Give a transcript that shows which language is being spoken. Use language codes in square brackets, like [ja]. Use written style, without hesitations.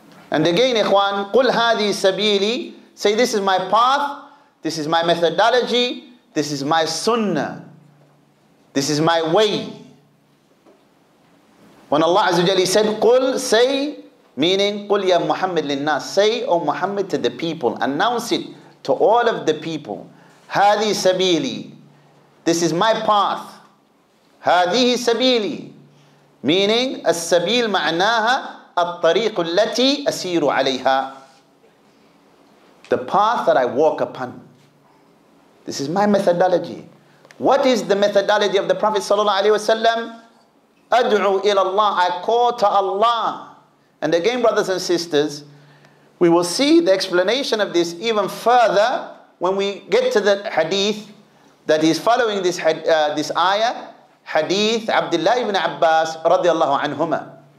[en] And again, ikhwan, [ar] قُلْ هَذِي سَبِيلِي. [en] Say, this is my path, this is my methodology, this is my sunnah, this is my way. When Allah Azza wa Jalla said, قُلْ, say, meaning, [ar] قُلْ يَا مُحَمَّدْ لِلنَّاسِ, [en] say, O Muhammad, to the people, announce it to all of the people. [ar] هَذِي سَبِيلِي, [en] this is my path. [ar] هَذِي سَبِيلِي, meaning, السَّبِيلِ مَعْنَاهَا الطَّرِيقُ الَّتِي أَسِيرُ عَلَيْهَا, [en] the path that I walk upon. This is my methodology. What is the methodology of the Prophet sallallahu alaihi wasallam? [ar] أدعو إلى الله, [en] I call to Allah. And again, brothers and sisters, we will see the explanation of this even further when we get to the hadith that is following this this ayah, hadith Abdullah ibn Abbas radiallahu anhuma.